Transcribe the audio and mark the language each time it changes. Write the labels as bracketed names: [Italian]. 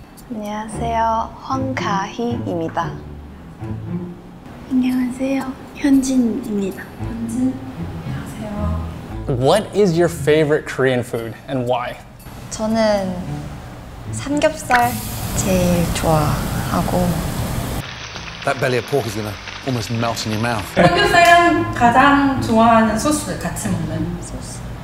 [Korean] 안녕하세요, 황가희입니다. 안녕하세요, 현진입니다. 안녕하세요. [English] What is your favorite Korean food and why? [Korean] 저는 삼겹살 제일 좋아하고. [English] That belly of pork is gonna almost melt in your mouth. [Korean] 삼겹살은 가장 좋아하는 소스, 같이 먹는 소스.